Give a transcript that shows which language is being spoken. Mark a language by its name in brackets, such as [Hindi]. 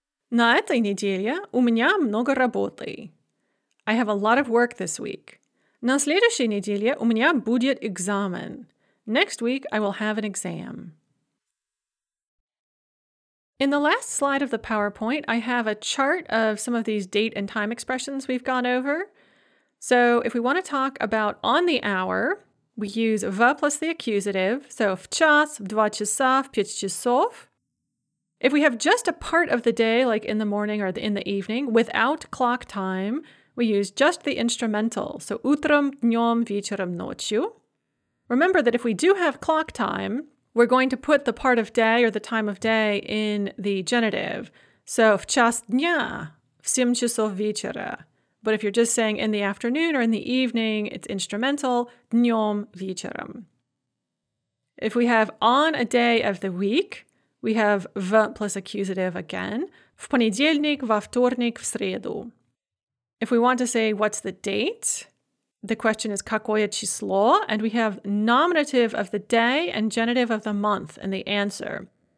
[Russian] На этой неделе у меня много работы. [English] I have a lot of work this week. [Russian] На следующей неделе у меня будет экзамен. [English] Next week I will have an exam. In the last slide of the PowerPoint, I have a chart of some of these date and time expressions we've gone over. So if we want to talk about on the hour, we use v plus the accusative, so [Russian] в час, в два часа, в пять часов. [English] If we have just a part of the day, like in the morning or in the evening, without clock time, we use just the instrumental, so [Russian] утром, днем, вечером, ночью. [English] Remember that if we do have clock time, we're going to put the part of day or the time of day in the genitive. [Russian] So в час дня, в семь часов вечера. [English] But if you're just saying in the afternoon or in the evening, it's instrumental, [Russian] днём вечером. [English] If we have on a day of the week, we have v plus accusative again, [Russian] в понедельник, во вторник, в среду. [English] If we want to say what's the date, the question is [Russian] какое число, [English] and we have nominative of the day and genitive of the month in the answer.